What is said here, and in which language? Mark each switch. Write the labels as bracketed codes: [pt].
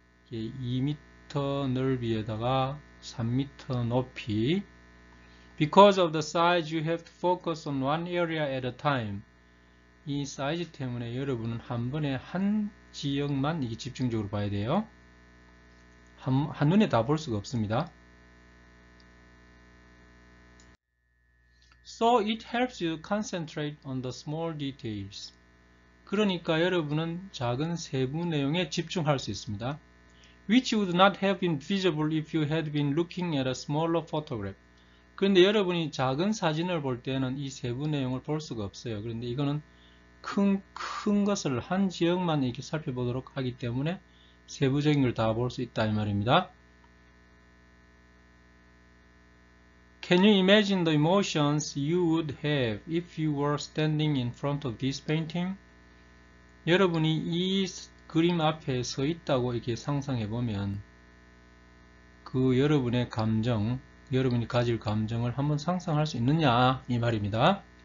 [ko] 이게 2m 넓이에다가 3m 높이. [en] Because of the size, you have to focus on one area at a time. [ko] 이 사이즈 때문에 여러분은 한 번에 한 지역만 이게 집중적으로 봐야 돼요. 한눈에 다볼 수가 없습니다. [en] So it helps you concentrate on the small details. [ko] 그러니까 여러분은 작은 세부 내용에 집중할 수 있습니다. [en] Which would not have been visible if you had been looking at a smaller photograph. [ko] 그런데 여러분이 작은 사진을 볼 때는 이 세부 내용을 볼 수가 없어요. 그런데 이거는 큰 것을 한 지역만 이렇게 살펴보도록 하기 때문에 세부적인 걸다볼수 있다 이 말입니다. [en] Can you imagine the emotions you would have if you were standing in front of this painting? [ko] 여러분이 이 그림 앞에 서 있다고 이렇게 상상해 보면 그 여러분의 감정, 여러분이 가질 감정을 한번 상상할 수 있느냐 이 말입니다.